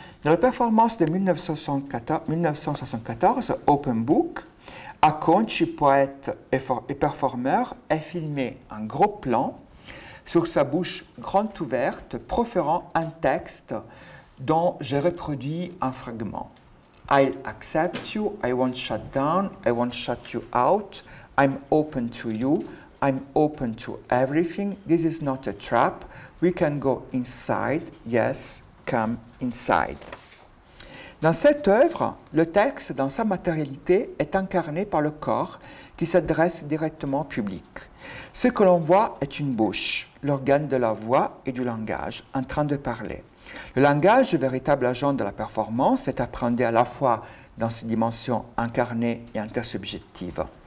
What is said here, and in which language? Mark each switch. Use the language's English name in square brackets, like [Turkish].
[French] Dans la performance de 1974, Open Book, Acconci, poète et performeur, est filmé en gros plan sur sa bouche grande ouverte, proférant un texte dont j'ai reproduit un fragment. [English] I'll accept you, I won't shut down, I won't shut you out, I'm open to you, I'm open to everything, this is not a trap, we can go inside, yes, come inside. [French] Dans cette œuvre, le texte, dans sa matérialité, est incarné par le corps qui s'adresse directement au public. Ce que l'on voit est une bouche, l'organe de la voix et du langage, en train de parler. Le langage, véritable agent de la performance, est appréhendé à la fois dans ses dimensions incarnées et intersubjectives.